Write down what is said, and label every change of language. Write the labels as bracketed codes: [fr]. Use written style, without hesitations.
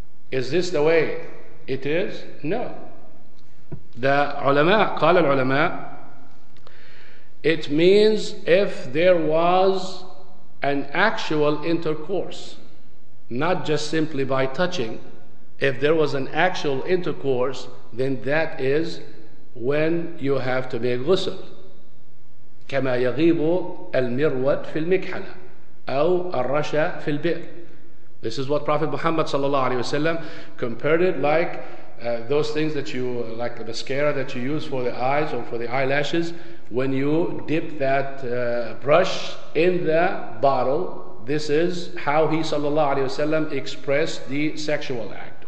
[en] Is this the way it is? No. The ulama, [ar] qala al-ulama, [en] it means if there was an actual intercourse, not just simply by touching, if there was an actual intercourse, then that is when you have to make ghusl. [ar] كما يغيب المرود في المكحلة أو الرشا في البئر. [en] This is what Prophet Muhammad sallallahu alaihi wasallam compared it like those things that you like the mascara that you use for the eyes or for the eyelashes. When you dip that brush in the bottle, this is how he sallallahu alaihi wasallam expressed the sexual act.